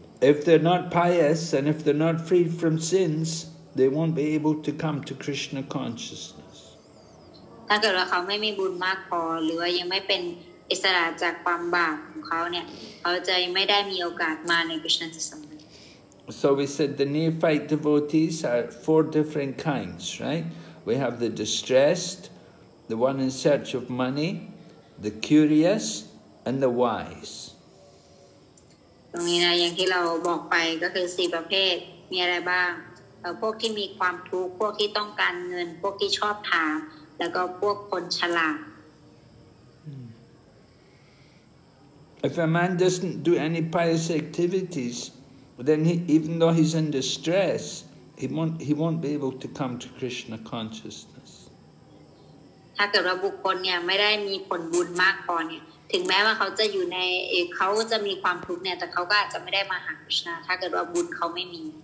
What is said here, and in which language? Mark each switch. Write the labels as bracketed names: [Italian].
[English] If they're not pious and if they're not freed from sins, they won't be able to come to Krishna consciousness. [Thai] ถ้าเกิดว่าเขาไม่มีบุญมากพอหรือว่ายังไม่เป็นอิสระจากความบาปของเขาเนี่ยเขาจะไม่ได้มีโอกาสมาใน Krishna consciousness. [English] So we said the neophyte devotees are four different kinds, right? We have the distressed, the one in search of money. The curious and the wise. [Thai] ตรงนี้นะอย่างที่เราบอกไปก็คือสี่ประเภทมีอะไรบ้างพวกที่มีความทุกข์พวกที่ต้องการเงินพวกที่ชอบถามแล้วก็พวกคนฉลาด [English] If a man doesn't do any pious activities, then even though he's in distress, he won't be able to come to Krishna consciousness. [Thai] ถ้าเกิดว่าบุคคลเนี่ยไม่ได้มีผลบุญมากพอเนี่ยถึงแม้ว่าเขาจะอยู่ในเขาจะมีความทุกข์เนี่ยแต่เขาก็อาจจะไม่ได้มาหาคริสต์ถ้าเกิดว่าบุญเขาไม่มี